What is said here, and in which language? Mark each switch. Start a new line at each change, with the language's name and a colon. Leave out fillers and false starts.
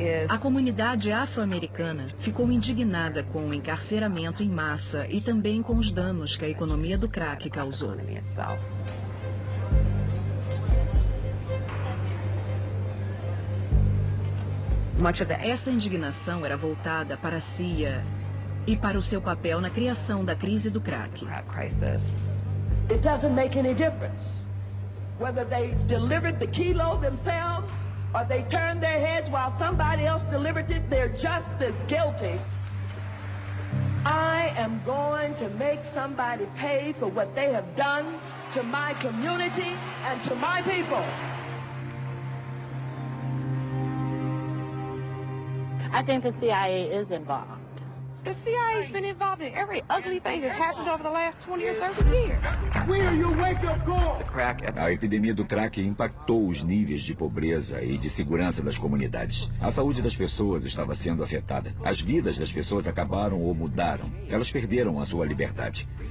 Portuguese: A comunidade afro-americana ficou indignada com o encarceramento em massa e também com os danos que a economia do crack causou. Essa indignação era voltada para a CIA e para o seu papel na criação da crise do crack.
English: It doesn't make any difference whether they delivered the kilo themselves. Or they turn their heads while somebody else delivered it, they're just as guilty. I am going to make somebody pay for what they have done to my community and to my people. I think the CIA is involved. The CIA's been involved in every ugly thing that's happened over the last 20 or 30 years. Where are you wake up going?
Portuguese: A epidemia do crack impactou os níveis de pobreza e de segurança das comunidades. A saúde das pessoas estava sendo afetada. As vidas das pessoas acabaram ou mudaram. Elas perderam a sua liberdade.